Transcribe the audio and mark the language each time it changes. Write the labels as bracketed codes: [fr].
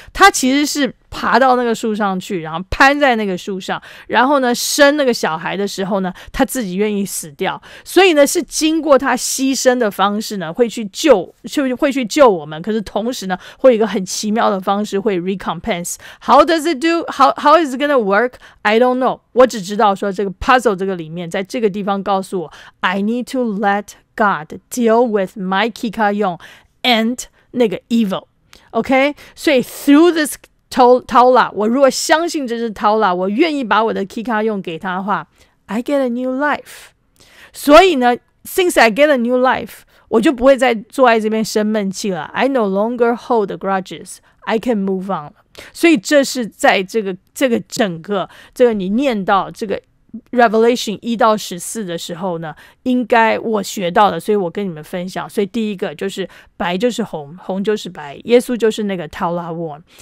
[zh] 他其实是爬到那个树上去，然后攀在那个树上，然后呢生那个小孩的时候呢，他自己愿意死掉，所以呢是经过他牺牲的方式呢会去救，就会去救我们，可是同时呢会有一个很奇妙的方式会 recompense。 [en] How does it do? How is it gonna work? I don't know. [zh] 我只知道说这个 puzzle 这个里面在这个地方告诉我 [en] I need to let God deal with my kikayon and [zh] 那个 evil。 OK, 所以 [en] through this Tala, [zh] 我如果相信这是 Tala, 我愿意把我的 kikayon 给他的话， [en] I get a new life. [zh] 所以呢， [en] since I get a new life, [zh] 我就不会再坐在这边生闷气了。 [en] I no longer hold grudges. I can move on. [zh] 所以这是在这个整个这个你念到这个Revelation 1到14的时候呢，应该我学到的，所以我跟你们分享。所以第一个就是白就是红，红就是白，耶稣就是那个 Tala Worm。